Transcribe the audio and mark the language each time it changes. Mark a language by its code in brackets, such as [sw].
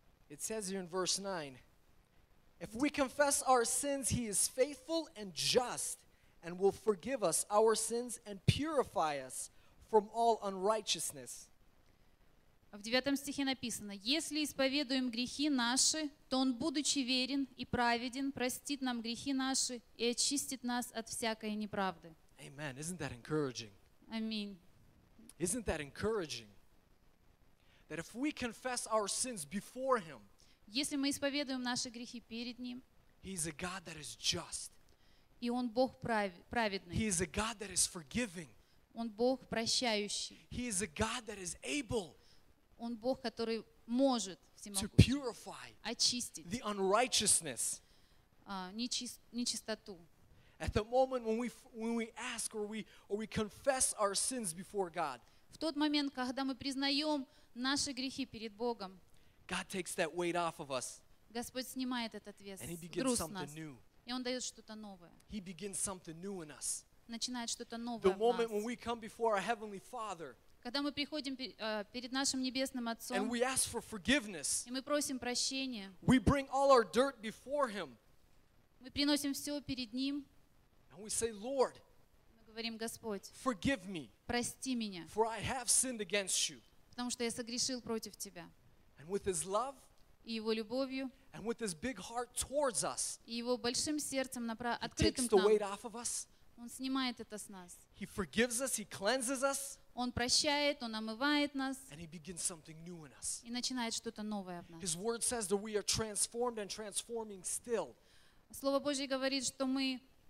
[en] It says here in verse 9, if we confess our sins, he is faithful and just and will forgive us our sins and purify us from all unrighteousness. [ru] В 9 стихе написано, если исповедуем грехи наши, то Он, будучи верен и праведен, простит нам грехи наши и очистит нас от всякой неправды. [en] Amen. Isn't that encouraging? [ru] Аминь. [en] Isn't that encouraging? That if we confess our sins before Him, [ru] если мы исповедуем наши грехи перед Ним, [en] He is a God that is just. [ru] И Он Бог праведный. [en] He is a God that is forgiving. [ru] Он Бог прощающий. [en] He is a God that is able. [ru] Он Бог, который может всемогущий очистить [en] the unrighteousness. [ru] Нечистоту. [en] At the moment when we ask or we confess our sins before God. [ru] В тот момент, когда мы признаем наши грехи перед Богом. [en] God takes that weight off of us. [ru] Господь снимает этот вес, [en] and He begins something new. [ru] И Он дает что-то новое. [en] He begins something new in us. [ru] Начинает что-то новое в нас. [en] The moment when we come before our Heavenly Father. [ru] Когда мы приходим перед нашим небесным Отцом, [en] and we ask for forgiveness, [ru] и мы просим прощения, [en] we bring all our dirt before Him, [ru] мы приносим все перед Ним, [en] and we say, Lord, [ru] мы говорим, Господь, [en] forgive me, [ru] прости меня, [en] for I have sinned against you, [ru] потому что я согрешил против Тебя, [en] and with His love, [ru] и Его любовью, [en] and with His big heart towards us, [ru] и Его большим сердцем открытым к нам, [en] He takes the weight off of us, [ru] Он снимает это с нас, [en] He forgives us, He cleanses us. [ru] Он прощает, Он омывает нас. [en] And He begins something new in us. [ru] И начинает что-то новое в нас. [en] His word says that we are transformed and transforming still. [ru] Слово Божье говорит, что мы